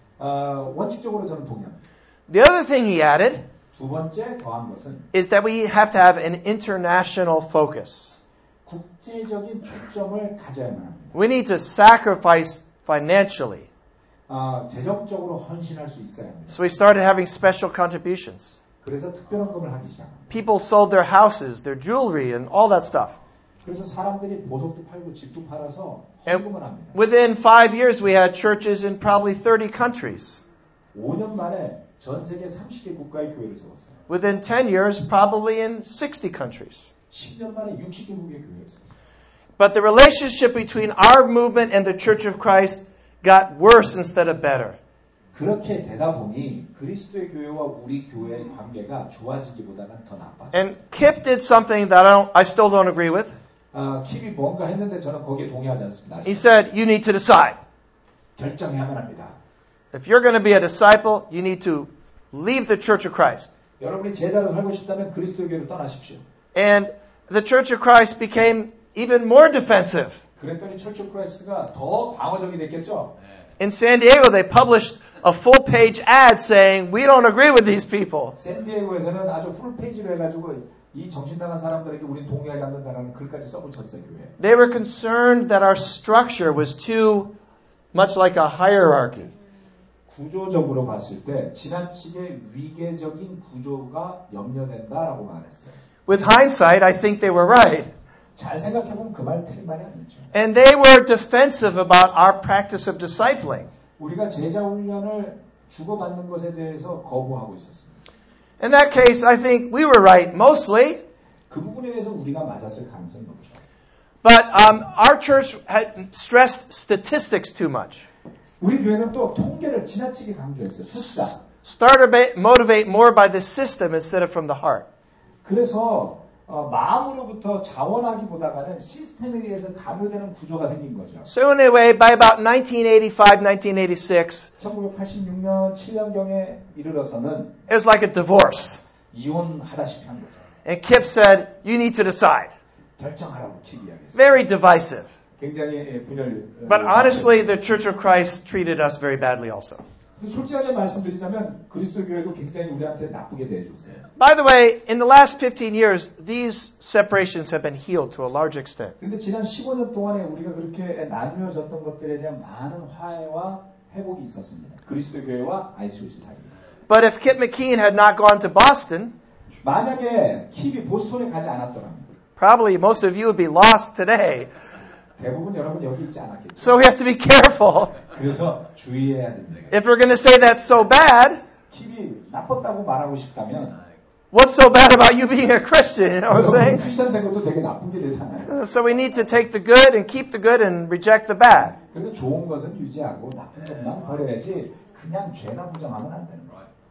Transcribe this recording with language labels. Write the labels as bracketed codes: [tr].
[ko] 원칙적으로 저는 동의합니다. [en] The other thing he added [ko] 두 번째 더한 것은 [en] is that we have to have an international focus. [ko] 국제적인 초점을 가져야만 합니다. [en] We need to sacrifice financially. [ko] 재정적으로 헌신할 수 있어야 합니다. [en] So we started having special contributions. [ko] 그래서 특별헌금을 하기 시작합니다. [en] People sold their houses, their jewelry, and all that stuff. [ko] 그래서 사람들이 보석도 팔고 집도 팔아서 헌금을 합니다. [en] And within 5 years, we had churches in probably 30 countries. [ko] 5년 만에 전 세계 30개 국가의 교회를 세웠어요. [en] Within 10 years, probably in 60 countries. [ko] 10년 만에 60개 국의 교회를 세웠어요. [en] But the relationship between our movement and the Church of Christ got worse instead of better. [ko] 그렇게 되다 보니 그리스도의 교회와 우리 교회의 관계가 좋아지기보다는 더 나빠. [en] And Kip did something that I still don't agree with. [ko] Kip이 뭔가 했는데 저는 거기에 동의하지 않습니다. [en] He said you need to decide. [ko] 결정해야만 합니다. [en] If you're going to be a disciple, you need to leave the Church of Christ. [ko] 여러분이 제자로 살고 싶다면 그리스도의 교회로 떠나십시오. [en] And the Church of Christ became even more defensive. [ko] 그랬더니 Church of Christ가 더 방어적이 됐겠죠? [en] In San Diego, they published a full-page ad saying, "We don't agree with these people." [ko] San Diego에서는 아주 풀페이지로 해가지고 이 정신 나간 사람들에게 우리는 동의하지 않는다라는 글까지 써 붙였어요 교회. [en] They were concerned that our structure was too much like a hierarchy. [ko] 구조적으로 봤을 때 지나치게 위계적인 구조가 염려된다라고 말했어요. [en] With hindsight, I think they were right. [ko] 잘 생각해보면 그 말 틀린 말이 아니죠. [en] And they were defensive about our practice of discipling. [ko] 우리가 제자 훈련을 주고받는 것에 대해서 거부하고 있었습니다. [en] In that case, I think we were right, mostly. [ko] 그 부분에 대해서 우리가 맞았을 가능성이 높죠. [en] But our church had stressed statistics too much. [ko] 우리 교회는 또 통계를 지나치게 강조했어요. 숫자. [en] Start or motivate more by the system instead of from the heart. [ko] 그래서 마음으로부터 자원하기보다는 시스템에 대해서 강요되는 구조가 생긴 거죠. [en] So anyway, by about 1985, 1986, [ko] 1986년, 7년경에 이르러서는 [en] It's like a divorce. [ko] 이혼하다시피 한 거죠. [en] And Kip said, you need to decide. [ko] 결정하라고 Kip 이야기했어요. [en] Very divisive. [ko] 굉장히 분열. [en] But honestly, the Church of Christ treated us very badly also. [ko] 솔직하게 말씀드리자면 그리스도 교회도 굉장히 우리한테 나쁘게 대해줬어요. [en] By the way, in the last 15 years, these separations have been healed to a large extent. [ko] 근데 지난 15년 동안에 우리가 그렇게 나뉘어졌던 것들에 대한 많은 화해와 회복이 있었습니다. 그리스도 교회와 ICOC 사이. [en] But if Kip McKean had not gone to Boston, [ko] 만약에 킵이 보스턴에 가지 않았더라면, [en] probably most of you would be lost today. [ko] 대부분 여러분 여기 있지 않았겠죠. [en] So we have to be careful. [ko] 그래서 주의해야 됩니다. [en] If we're going to say that's so bad, [ko] 킵이 나빴다고 말하고 싶다면, [en] what's so bad about you being a Christian? You know what I'm saying? [ko] 크리스천 된 것도 되게 나쁘게 되잖아요. [en] So we need to take the good and keep the good and reject the bad. [ko] 그래서 좋은 것은 유지하고 나쁜 것만 버려야지 그냥 죄나 부정하면 안 되는 거예요.